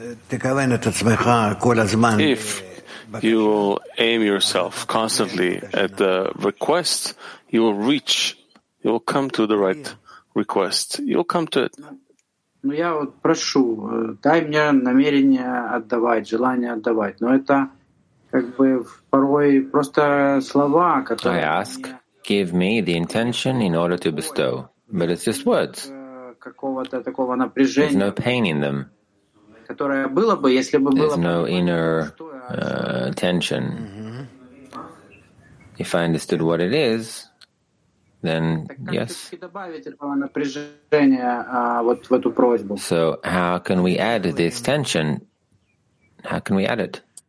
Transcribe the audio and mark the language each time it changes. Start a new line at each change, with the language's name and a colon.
English: If you aim yourself constantly at the request, you will reach, you will come to the right request. You will come to it.
Russian: Ну я вот прошу, дай мне намерение отдавать, желание отдавать. Но это как бы порой просто слова, которые.
English: I ask, give me the intention in order to bestow, but it's just words.
Russian: Какого-то такого напряжения.
English: There's no pain in them.
Russian: Которое было бы, если бы было.
English: There's no inner tension. If I understood what it is, then yes. So how can we add this tension? How can we add it?